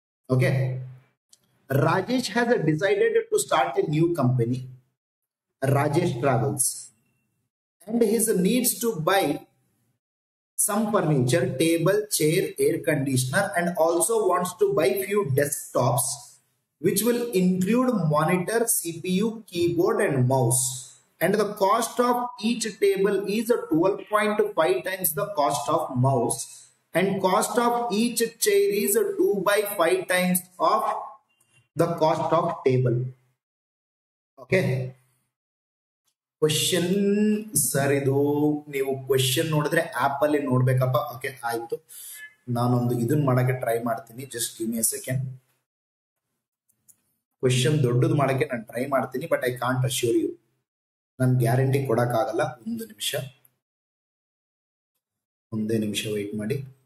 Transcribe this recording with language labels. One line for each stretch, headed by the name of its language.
English: Okay, Rajesh has decided to start a new company, Rajesh travels, and his needs to buy some furniture, table, chair, air conditioner, and also wants to buy few desktops which will include monitor, CPU, keyboard and mouse. And the cost of each table is 12.5 times the cost of mouse. And cost of each chair is 2x5 times of the cost of table. Okay. Question, sorry though,
Kannada: ನೀವು question ನೋಡಿದ್ರೆ app ಅಲ್ಲಿ ನೋಡ್ಬೇಕಪ್ಪ. Okay ಆಯ್ತು, ನಾನೊಂದು ಇದನ್ನ ಮಾಡಕ್ಕೆ try ಮಾಡ್ತೀನಿ,
English: Just give me a second.
Kannada: Question ದೊಡ್ಡದು ಮಾಡಕ್ಕೆ ನಾನು ಟ್ರೈ ಮಾಡ್ತೀನಿ,
English: but I can't assure you,
Kannada: ನನ್ ಗ್ಯಾರಂಟಿ ಕೊಡಕ್ಕಾಗಲ್ಲ. ಒಂದೇ ನಿಮಿಷ ವೈಟ್ ಮಾಡಿ.